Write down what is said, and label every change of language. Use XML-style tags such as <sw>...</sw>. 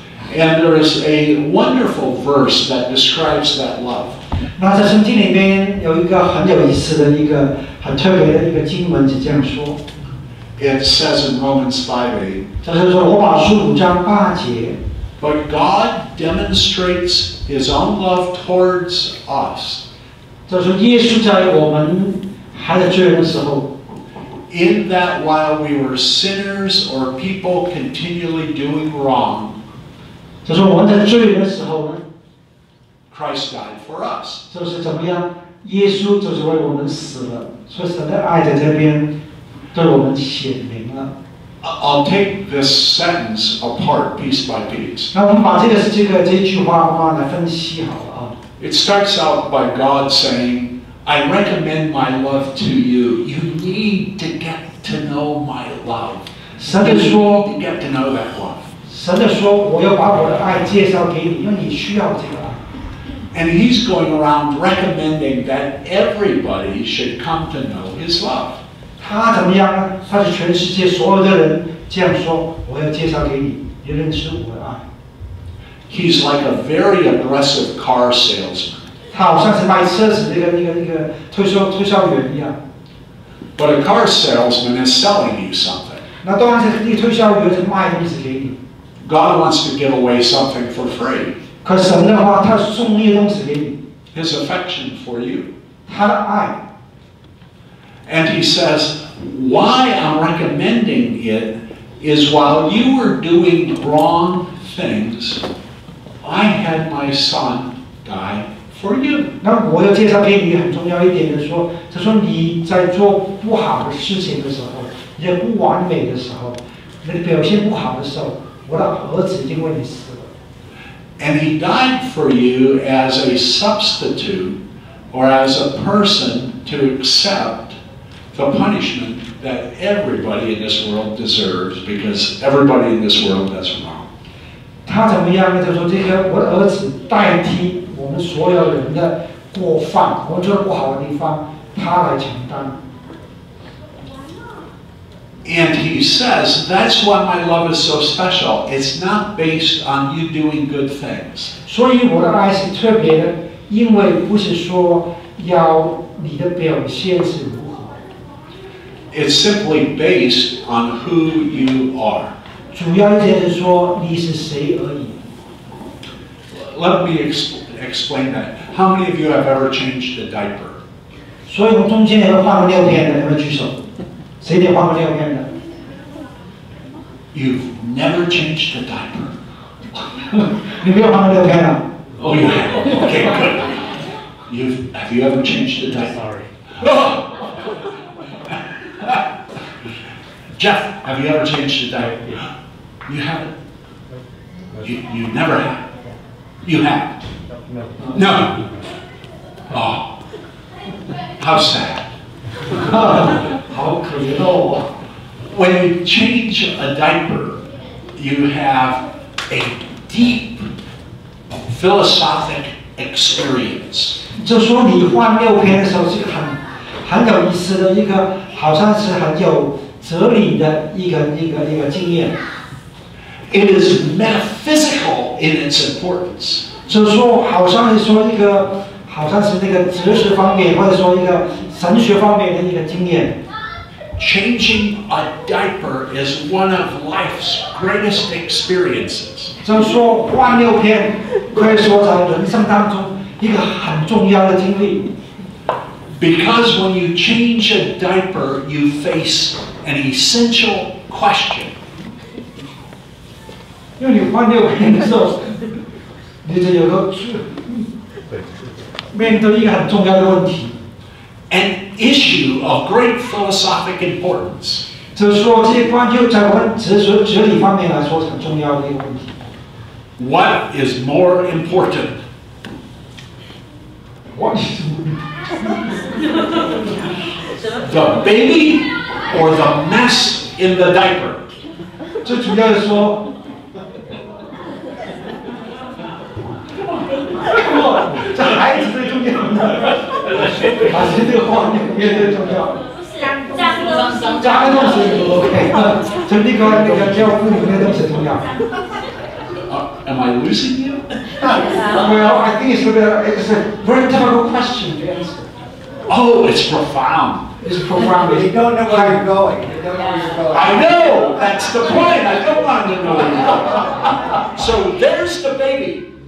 <en>And there is a wonderful verse that describes that love.</en> <zh>那在圣经里面有一个很有意思的一个很特别的一个经文是这样说。</zh> <en>It says in Romans 5:8.</en> <zh>就是说罗马书五章八节。</zh> <en>But God demonstrates His own love towards us.</en> <zh>就是耶稣在我们还在罪人的时候。</zh> <en>In that while we were sinners or people continually doing wrong.</en> <zh>就是我们在罪人的时候呢。</zh> <en>Christ died for us.</en> <zh>就是怎么样？耶稣就是为我们死了，所以神的爱在这边对我们显明了。</zh> <en>I'll take this sentence apart piece by piece.</en> <zh>那我们把这句话来分析好了啊。</zh> <en>It starts out by God saying, I recommend my love to you. You need to get to know my love.</en> <zh>神就说，</zh> <en>you need to get to know that love.</en> <zh>神就说，我要把我的爱介绍给你，因为你需要这个爱。</zh> <en>And he's going around recommending that everybody should come to know his love.</en> <zh>他怎么样呢？他是全世界所有的人这样说：“我要介绍给你，你认识我的爱。”</zh> <en>He's like a very aggressive car salesman.</en> <zh>他好像是卖车子那个推销员一样。</zh> <en>But a car salesman is selling you something.</en> <zh>那当然是那个推销员是卖东西给你。</zh> <en>God wants to give away something for free.</en> <zh>可神的话，他送一个东西给你。</zh> <en>His affection for you.</en> <zh>他的爱。</zh> <en>And he says, why I'm recommending it is while you were doing wrong things, I had my son die for you.</en> <zh>那我要介绍给你很重要一点的说，他说你在做不好的事情的时候，也不完美的时候，你表现不好的时候，我的儿子因为你死了。</zh> <en>And he died for you as a substitute or as a person to accept the punishment that everybody in this world deserves because everybody in this world does wrong.</en> <zh>他怎么样呢？他说这个我的儿子代替我们所有人的过犯，我们做的不好的地方，他来承担。</zh> <en>And he says, that's why my love is so special. It's not based on you doing good things.</en> <zh>所以我的爱是特别的，因为不是说要你的表现是如何。</zh> <en>It's simply based on who you are.</en> <zh>主要就是说你是谁而已。</zh> <en>Let me explain that. How many of you have ever changed a diaper?</en> <zh>所以我中间有换过尿片的，有没有举手？谁得换过尿片的？</zh> <en>You've never changed a diaper.</en> <zh>你没有换过尿片啊？</zh> <en>Oh, you have. Okay, good. Have you ever changed a diaper? Sorry. Jeff, have you ever changed a diaper? Yeah. You haven't? You never have? You have? No. No. Oh. How sad. How cruel. When you change a diaper, you have a deep philosophic experience.</en> <zh>就说你换尿片的时候是很有意思的一个，好像是很有哲理的一个经验。</zh> <en>It is metaphysical in its importance.</en> <zh>就是说，好像是说一个，好像是那个哲学方面，或者说一个神学方面的一个经验。</zh> <en>Changing a diaper is one of life's greatest experiences.</en> <zh>就是说，换尿片可以说在人生当中一个很重要的经历。</zh> <en>Because when you change a diaper, you face an essential question.</en> <zh>因为你换尿片的时候，你就有个面对一个很重要的问题。</zh> <en>An issue of great philosophic importance.</en> <zh>就是说，这些关键在我们哲学哲理方面来说是很重要的一个问题。</zh> <en>What is more important? What is more important? The baby or the mess in the diaper?</en> <zh>这主要是说这孩子最重要的把这个话里面最重要加个东西就 OK 就立刻给他教父里面的东西重要</zh> <en>Am I losing you? Well, I think it's a very difficult question to answer. Oh, it's profound. It's profound. You don't know where you're going. I know, that's the point. I don't want to know. So there's the baby.</en>